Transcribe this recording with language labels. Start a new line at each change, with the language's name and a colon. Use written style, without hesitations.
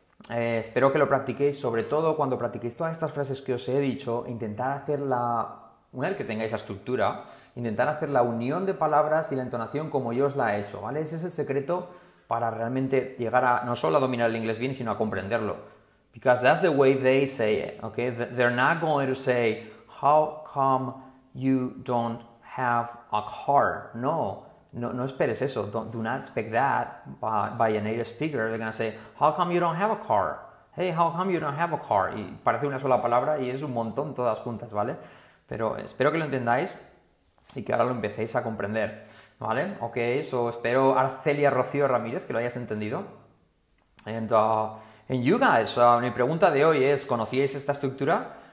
Spanish: Espero que lo practiquéis, sobre todo cuando practiquéis todas estas frases que os he dicho, intentad hacerla, una vez que tengáis la estructura, intentad hacer la unión de palabras y la entonación como yo os la he hecho, ¿vale? Ese es el secreto para realmente llegar a, no solo a dominar el inglés bien, sino a comprenderlo.
English: Because that's the way they say it, okay? They're not going to say, how come you don't have a car?
Spanish: No, no esperes eso.
English: Do not expect that by a native speaker. They're going to say, how come you don't have a car? Hey, how come you don't have a car?
Spanish: Y parece una sola palabra y es un montón todas juntas, ¿vale? Pero espero que lo entendáis y que ahora lo empecéis a comprender. ¿Vale?
English: Ok, so
Spanish: espero Arcelia Rocío Ramírez que lo hayas entendido.
English: And you guys,
Spanish: mi pregunta de hoy es, ¿conocíais esta estructura?